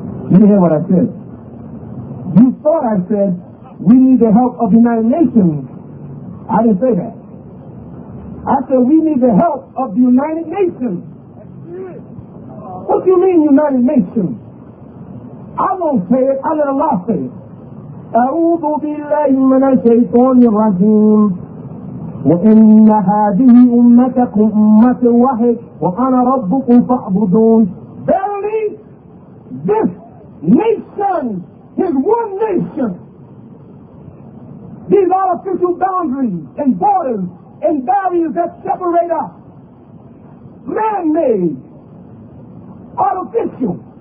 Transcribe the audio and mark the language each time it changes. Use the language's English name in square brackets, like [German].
[English] You didn't hear what I said. You thought I said, we need the help of the United Nations. I didn't say that. I said, we need the help of the United Nations. What do you mean, United Nations? I won't say it, I let Allah say it. [Arabic] أعوذ بالله من الشيطان الرجيم وإن هذه أمتكم أمة واحدة وأنا ربكم فاعبدون. [English] Verily, this nation is one nation. These are official boundaries and borders and barriers that separate us. Man-made, artificial.